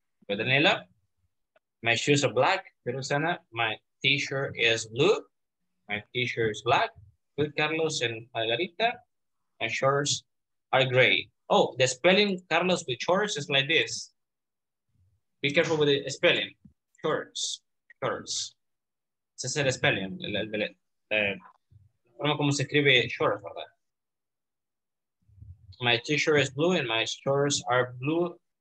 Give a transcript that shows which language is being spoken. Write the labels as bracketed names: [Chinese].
[English] With Danila, my shoes are black. Perusana, my t-shirt is blue. My t-shirt is black. With Carlos and Margarita, my shorts are gray. Oh, the spelling Carlos with shorts is like this. Be careful with the spelling. Shorts, shorts. [Spanish] Ese es el spelling, la forma como se escribe shorts, ¿verdad? [English] My t-shirt is blue and my shorts are blue.